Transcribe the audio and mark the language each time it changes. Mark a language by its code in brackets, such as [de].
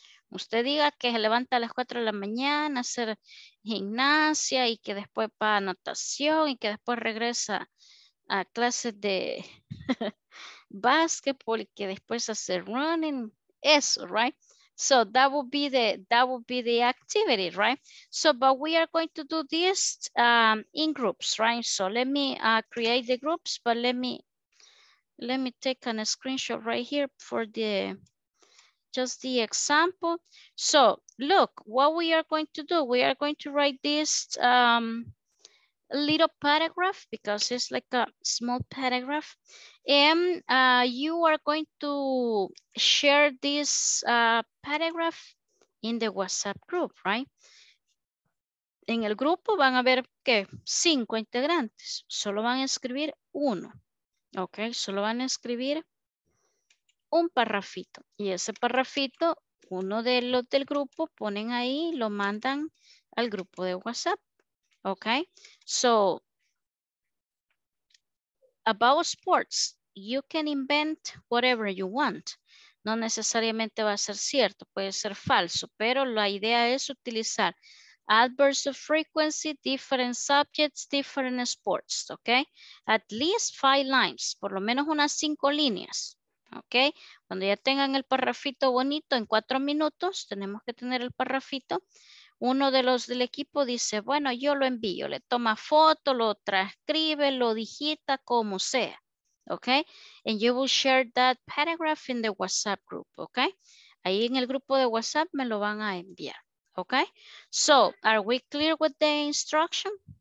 [es] Usted diga que se levanta a las 4 de la mañana a hacer gimnasia y que después va a natación y que después regresa a clases de basketball y que después hace running. Eso, [en] right? So that would be the activity, right? So, but we are going to do this in groups, right? So let me create the groups, but let me take a screenshot right here for the... just the example. So look, what we are going to do, we are going to write this little paragraph because it's like a small paragraph. And you are going to share this paragraph in the WhatsApp group, right? [es] En el grupo van a ver que 5 integrantes, solo van a escribir uno. [en] Okay, [es] solo van a escribir un parrafito y ese parrafito uno de los del grupo ponen ahí, lo mandan al grupo de WhatsApp. [en] Okay, so about sports, you can invent whatever you want. [es] No necesariamente va a ser cierto, puede ser falso, pero la idea es utilizar [en] adverbs of frequency, different subjects, different sports. Okay, at least 5 lines, [es] por lo menos unas 5 líneas. Ok, cuando ya tengan el parrafito bonito, en 4 minutos tenemos que tener el parrafito. Uno de los del equipo dice, bueno, yo lo envío, le toma foto, lo transcribe, lo digita, como sea. [en] Ok, and you will share that paragraph in the WhatsApp group. Ok, [es] ahí en el grupo de WhatsApp me lo van a enviar. [en] Ok, so are we clear with the instruction?